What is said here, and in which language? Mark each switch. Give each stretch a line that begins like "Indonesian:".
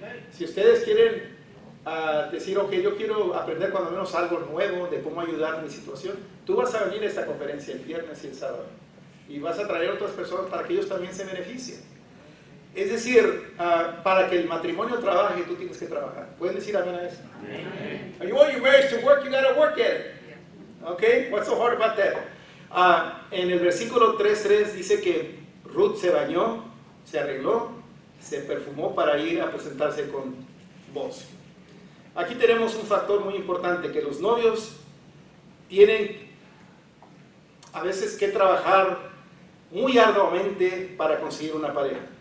Spanish: Si ustedes quieren decir, ok, yo quiero aprender cuando menos algo nuevo de cómo ayudar mi situación, tú vas a venir a esta conferencia el viernes y el sábado y vas a traer a otras personas para que ellos también se beneficien. Es decir, para que el matrimonio trabaje, tú tienes que trabajar. ¿Pueden decir amén a eso? Amen.
English: You want your marriage to work, you gotta work at it. Okay, what's so hard about that?
Spanish: En el versículo 3:3 dice que Ruth se bañó, se arregló, se perfumó para ir a presentarse con Boaz. Aquí tenemos un factor muy importante, que los novios tienen a veces que trabajar muy arduamente para conseguir una pareja.